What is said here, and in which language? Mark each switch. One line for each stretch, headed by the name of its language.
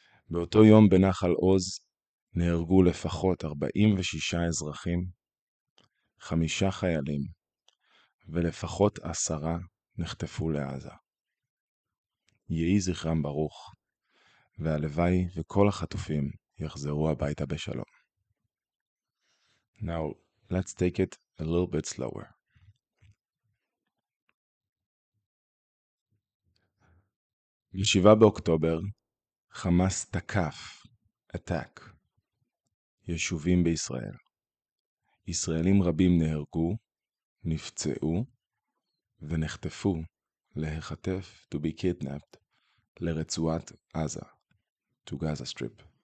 Hebrew: באותו יום בנחל עוז נהרגו לפחות 46 אזרחים, 5 חיילים, ולפחות 10 נחטפו לעזה. יהי זכרם ברוך, והלוואי וכל החטופים יחזרו הביתה בשלום.
English: Now, let's take it a little bit slower.
Hebrew: ב-7 באוקטובר, חמאס תקף, attack, יישובים בישראל. ישראלים רבים נהרגו, נפצעו, ונחטפו, להיחטף,
English: to be kidnapped,
Hebrew: לרצועת עזה,
English: to Gaza Strip.